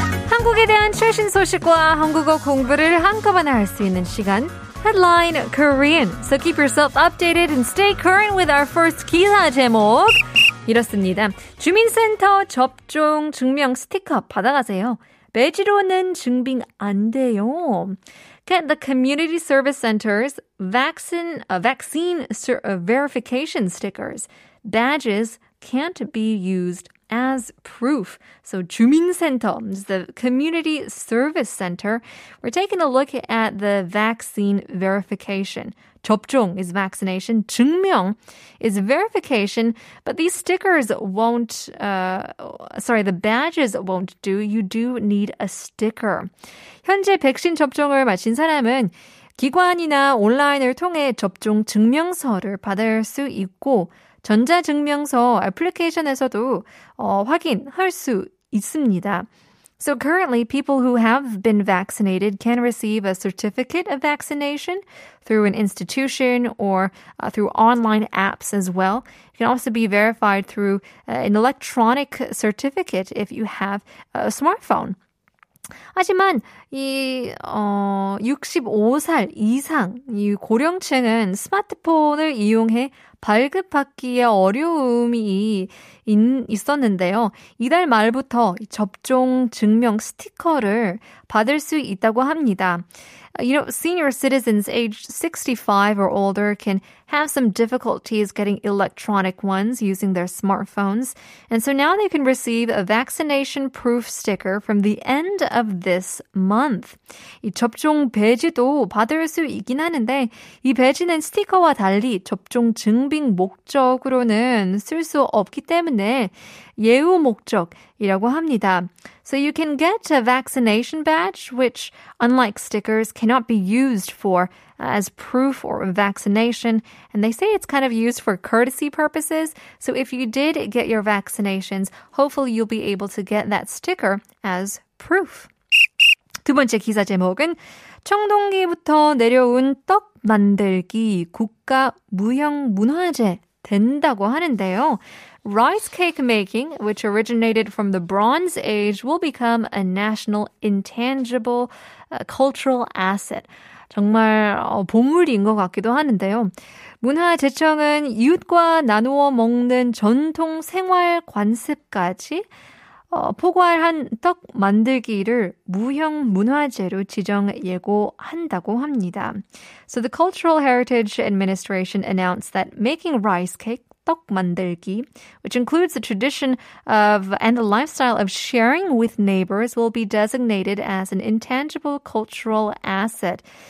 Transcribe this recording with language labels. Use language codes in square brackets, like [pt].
[ko] 한국에 대한 최신 소식과 한국어 공부를 한꺼번에 할 수 있는 시간. [en] Headline Korean. So keep yourself updated and stay current with our first 기사 제목. 이렇습니다. [ko] 주민센터 접종 증명 스티커 받아가세요. 매지로는 증빙 안 돼요. [en] Get the community service center's vaccine verification stickers. Badges can't be used as proof. So 주민센터 is the community service center. We're taking a look at the vaccine verification. 접종 is vaccination. 증명 is verification. But these stickers won't, the badges won't do. You do need a sticker. [ko] 현재 백신 접종을 마친 사람은 기관이나 온라인을 통해 접종 증명서를 받을 수 있고 전자증명서 애플리케이션에서도 확인할 수 있습니다. [en] So currently, people who have been vaccinated can receive a certificate of vaccination through an institution or through online apps as well. It can also be verified through an electronic certificate if you have a smartphone. [ko] 하지만 이 65살 이상 이 고령층은 스마트폰을 이용해 발급받기에 어려움이 있었는데요. 이달 말부터 접종 증명 스티커를 받을 수 있다고 합니다. [en] You know, senior citizens aged 65 or older can have some difficulties getting electronic ones using their smartphones. And so now they can receive a vaccination proof sticker from the end of this month. 이 접종 배지도 받을 수 있긴 하는데 이 배지는 스티커와 달리 접종 증빙 목적으로는 쓸 수 없기 때문에 예우 목적이라고 합니다. So you can get a vaccination badge, which, unlike stickers, cannot be used for as proof or vaccination. And they say it's kind of used for courtesy purposes. So if you did get your vaccinations, hopefully you'll be able to get that sticker as proof. [ko] 두 번째 기사 제목은 청동기부터 내려온 떡 만들기 국가 무형 문화재 된다고 하는데요. [en] Rice cake making, which originated from the Bronze Age, will become a national intangible cultural asset. [ko] 정말 보물인 것 같기도 하는데요. 문화재청은 이웃과 나누어 먹는 전통 생활 관습까지 포괄한 떡 만들기를 무형 문화재로 지정 예고한다고 합니다. [en] So the Cultural Heritage Administration announced that making rice cake, 떡 만들기, which includes the tradition of and the lifestyle of sharing with neighbors, will be designated as an intangible cultural asset.